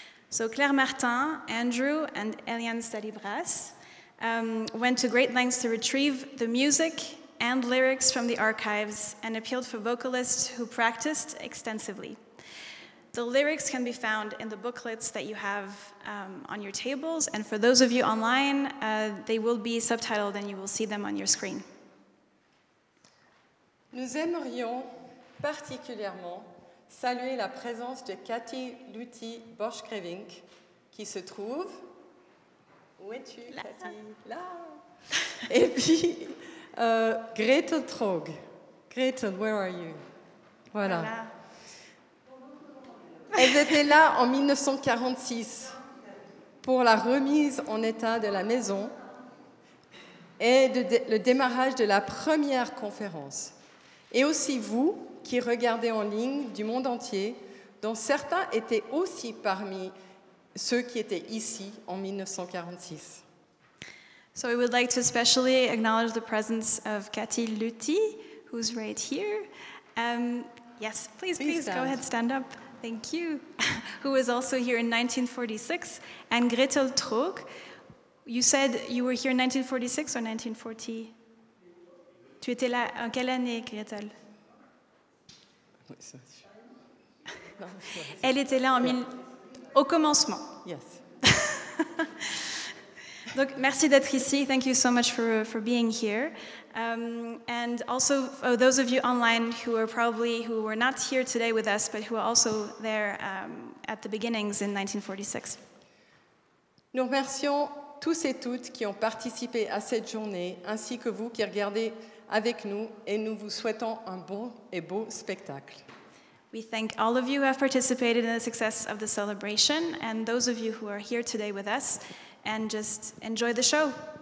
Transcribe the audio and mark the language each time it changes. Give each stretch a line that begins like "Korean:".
English: So Claire Martin, Andrew, and Eliane Stalibras went to great lengths to retrieve the music and lyrics from the archives and appealed for vocalists who practiced extensively. The lyrics can be found in the booklets that you have on your tables, and for those of you online, they will be subtitled and you will see them on your screen.
French: Nous aimerions particulièrement saluer la présence de Cathy Luthi Boschkrevink, qui se trouve... Où es-tu, là. Cathy? Là! Et puis, Gretel Trog.
English: Gretel, where are you?
French: Voilà. Elles étaient là en 1946 pour la remise en état de la maison et le démarrage de la première conférence. Et aussi vous, qui regardez en ligne du monde entier, dont certains étaient aussi parmi ceux qui étaient ici en 1946.
English: So we would like to especially acknowledge the presence of Cathy Luthi, who's right here. Yes, please go ahead, stand up. Thank you. Who was also here in 1946, and Gretel Trog. You said you were here in 1946 or 1940?
French: Tu étais là en quelle année, Gretel? Elle était là au commencement.
English: Yes.
French: Donc, merci d'être ici.
English: Thank you so much for being here. And also, for those of you online who were not here today with us, but who were also there at the beginnings in 1946.
French: Nous remercions tous et toutes qui ont participé à cette journée, ainsi que vous qui regardez avec nous, et nous vous souhaitons un bon et beau spectacle.
English: We thank all of you who have participated in the success of the celebration, and those of you who are here today with us, and just enjoy the show.